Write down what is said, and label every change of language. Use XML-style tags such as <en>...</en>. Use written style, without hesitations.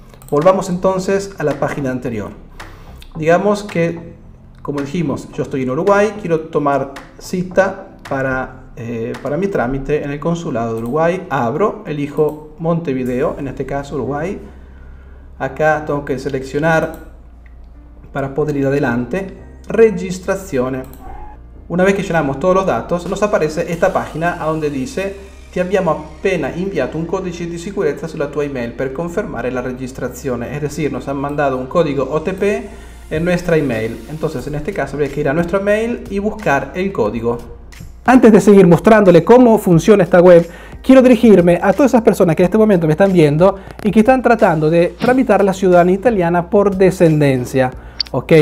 <es>Volvamos entonces a la página anterior. Digamos que, como dijimos, yo estoy en Uruguay, quiero tomar cita para mi trámite en el consulado de Uruguay. Abro, elijo Montevideo, en este caso Uruguay. Acá tengo que seleccionar para poder ir adelante.</es> <it>Registrazione.</it> <es>Una vez que llenamos todos los datos, nos aparece esta página donde dice:</es> <it>ti abbiamo appena inviato un codice di sicurezza sulla tua email per confermare la registrazione.</it> <es>Es decir, nos han mandado un código OTP en nuestra email. Entonces, en este caso, habría que ir a nuestra mail y buscar el código. Antes de seguir mostrándole cómo funciona esta web, quiero dirigirme a todas esas personas que en este momento me están viendo y que están tratando de tramitar la ciudadanía italiana por descendencia, ¿ok?</es>